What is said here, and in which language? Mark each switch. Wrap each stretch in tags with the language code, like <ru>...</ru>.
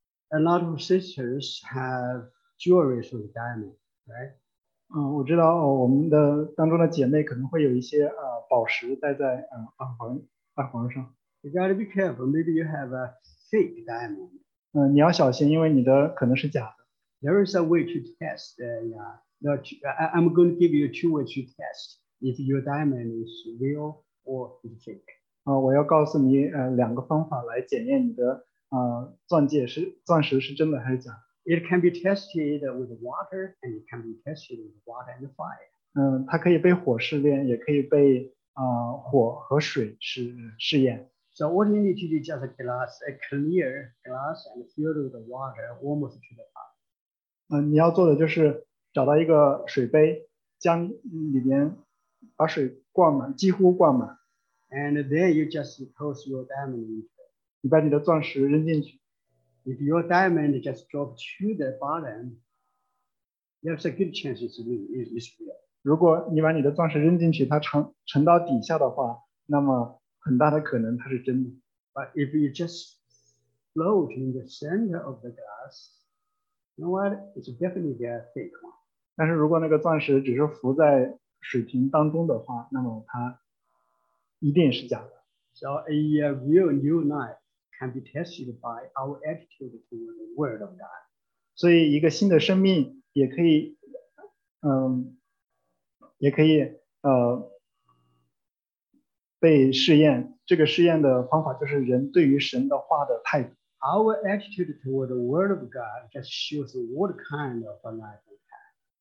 <en>A lot of sisters have jewelry from the diamond, right?</en> <zh>我知道我们的当中的姐妹可能会有一些宝石戴在耳环上。</zh> <en>You gotta be careful. Maybe you have a fake diamond.</en> <zh>你要小心，因为你的可能是假的。</zh> <en>There is a way to test. I'm going to give you two ways to test if your diamond is real or fake.</en> <zh>我要告诉你两个方法来检验你的。钻石是真的还是假的。</zh> <en>It can be tested with water, and it can be tested with water and fire.</en> <zh>它可以被火试炼，也可以被火和水试验。</zh> <en>So what you need to do is just a clear glass and filled with water, almost to the top.</en> <zh>你要做的就是找到一个水杯，将里面把水灌满，几乎灌满。</zh> <en>And then you just toss your diamond in.</en> <zh>你把你的钻石扔进去。</zh> <en>If your diamond just dropped to the bottom, there's a good chance it's real.</en> <zh>如果你把你的钻石扔进去，它沉到底下的话，那么很大的可能它是真的。</zh> <en>But if you just float in the center of the glass, you know what? It's definitely a fake one.</en> <zh>但是如果那个钻石只是浮在水瓶当中的话，那么它一定是假的。</zh> <en>So a real new life. Can be tested by our attitude to the Word of God.</en> <zh>所以一个新的生命也可以，也可以被试验。这个试验的方法就是人对于神的话的态度。</zh> <en>Our attitude toward the Word of God just shows what kind of a life we have.</en>